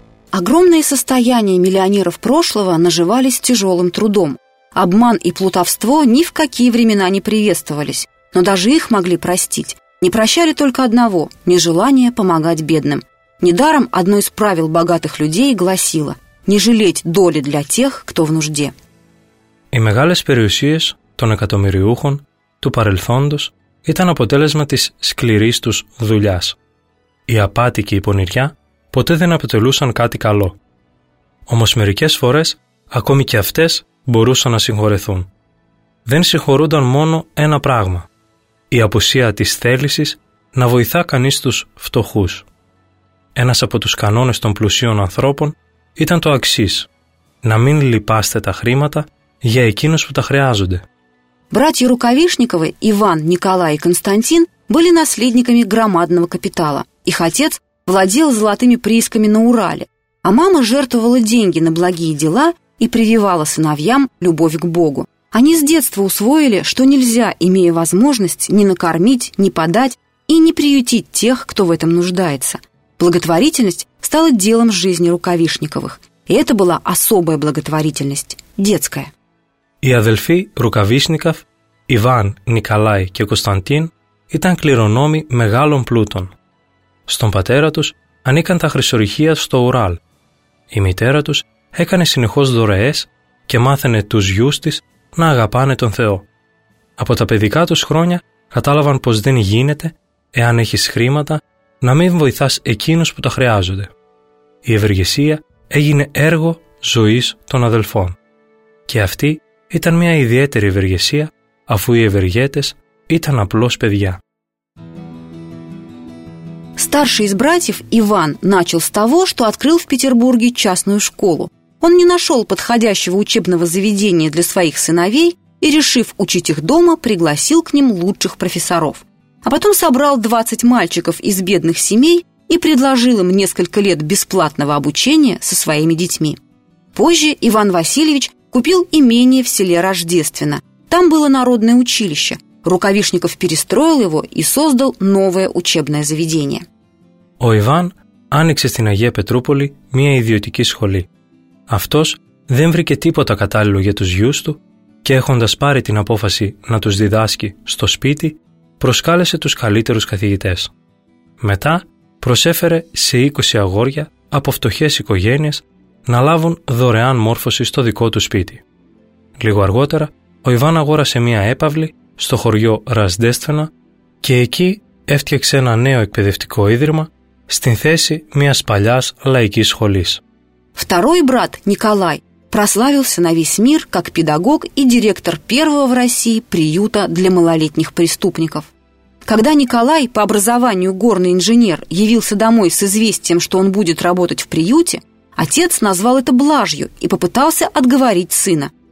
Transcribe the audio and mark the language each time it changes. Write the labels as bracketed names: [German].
[Russian] Огромные состояния миллионеров прошлого наживались тяжелым трудом. Обман и плутовство ни в какие времена не приветствовались. Но даже их могли простить. Не прощали только одного – нежелание помогать бедным. Недаром одно из правил богатых людей гласило – не жалеть доли для тех, кто в нужде. [Greek] Οι μεγάλες περιουσίες των εκατομμυριούχων του παρελθόντος ήταν αποτέλεσμα της σκληρής τους δουλειάς. Η απάτη και η πονηριά ποτέ δεν αποτελούσαν κάτι καλό. Όμως μερικές φορές ακόμη και αυτές μπορούσαν να συγχωρεθούν. Δεν συγχωρούνταν μόνο ένα πράγμα – η απουσία της θέλησης να βοηθά κανείς τους φτωχούς. Ένας από τους κανόνες των πλουσίων ανθρώπων ήταν το αξίς, να μην λυπάστε τα χρήματα για εκείνους που τα χρειάζονται. [Russian] Братья Рукавишниковы, Иван, Николай и Константин, были наследниками громадного капитала. Их отец владел золотыми приисками на Урале, а мама жертвовала деньги на благие дела и прививала сыновьям любовь к Богу. Они с детства усвоили, что нельзя, имея возможность, не накормить, не подать и не приютить тех, кто в этом нуждается. Благотворительность стала делом жизни Рукавишниковых. И это была особая благотворительность, детская. [Greek] Οι αδελφοί Рукавишников, Иван, Николай και Константин, ήταν κληρονόμοι μεγάλων πλούτων. Στον πατέρα τους ανήκαν τα χρυσορυχεία στο Ουράλ. Η μητέρα τους έκανε συνεχώς δωρεές και μάθαινε τους γιους της να αγαπάνε τον Θεό. Από τα παιδικά τους χρόνια κατάλαβαν πως δεν γίνεται, εάν έχεις χρήματα, να μην βοηθάς εκείνους που τα χρειάζονται. Η ευεργεσία έγινε έργο ζωής των αδελφών. Και αυτή ήταν μια ιδιαίτερη ευεργεσία, αφού οι ευεργέτες ήταν απλώς παιδιά. [Russian] Старший из братьев, Иван, начал с того, что открыл в Петербурге частную школу. Он не нашел подходящего учебного заведения для своих сыновей и, решив учить их дома, пригласил к ним лучших профессоров. А потом собрал 20 мальчиков из бедных семей и предложил им несколько лет бесплатного обучения со своими детьми. Позже Иван Васильевич купил имение в селе Рождественно. Там было народное училище. Рукавишников перестроил его и создал новое учебное заведение. [Greek] О Иван άνοιξε στην Αγία Πετρούπολη μια ιδιωτική σχολή. Αυτός δεν βρήκε τίποτα κατάλληλο για τους γιους του και έχοντας πάρει την απόφαση να τους διδάσκει στο σπίτι, προσκάλεσε τους καλύτερους καθηγητές. Μετά προσέφερε σε 20 αγόρια από φτωχές οικογένειες να λάβουν δωρεάν μόρφωση στο δικό του σπίτι. Λίγο αργότερα, ο Ιβάν αγόρασε μία έπαυλη στο χωριό Ραζδέστενα και εκεί έφτιαξε ένα νέο εκπαιδευτικό ίδρυμα στην θέση μιας παλιάς λαϊκής σχολής. [Russian] Второй брат, Николай, прославился на весь мир как педагог и директор первого в России приюта для малолетних преступников. Когда Николай, по образованию горный инженер, явился домой с известием, что он будет работать в приюте, отец назвал это блажью и попытался отговорить сына.